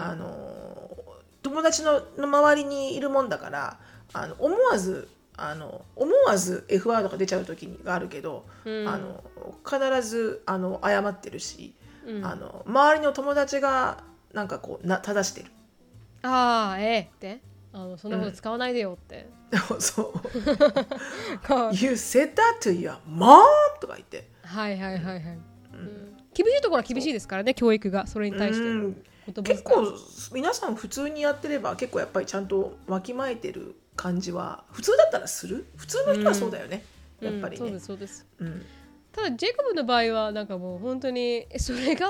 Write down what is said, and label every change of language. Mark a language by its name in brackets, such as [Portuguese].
[Japanese] あの友達 の周りにいるもんだから、あの思わずあの思わず F ワードが出ちゃう時があるけど、うん、あの必ずあの謝ってるし、うん、あの周りの友達がなんかこうな正してる、あーえー、ってあのそんなこと使わないでよって、うん、そう [English] You said that to your mom [Japanese] とか言って、はいはいはいはい、うん、厳しいところは厳しいですからね、教育がそれに対して、うん、結構皆さん普通にやってれば結構やっぱりちゃんとわきまえてる感じは普通だったらする、普通の人はそうだよね、うん、やっぱりね、そうですそうです、うん、ただジェイコブの場合はなんかもう本当にそれが